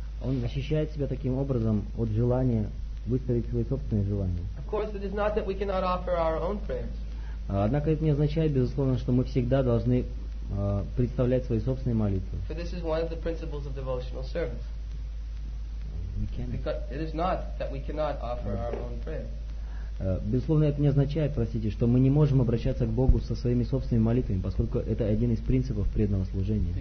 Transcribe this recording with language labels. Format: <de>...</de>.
<ru>Он защищает себя таким образом от желания выставить свои собственные желания.</ru> <en>Of course, it is not that we cannot offer our own prayers.</en> <ru>Однако это не означает, безусловно, что мы всегда должны представлять свои собственные молитвы.</ru> <en>For this is one of the principles of devotional service. We can't. Because it is not that we cannot offer our own prayers.</en> <ru>Безусловно, это не означает, простите, что мы не можем обращаться к Богу со своими собственными молитвами, поскольку это один из принципов преданного служения.</ru>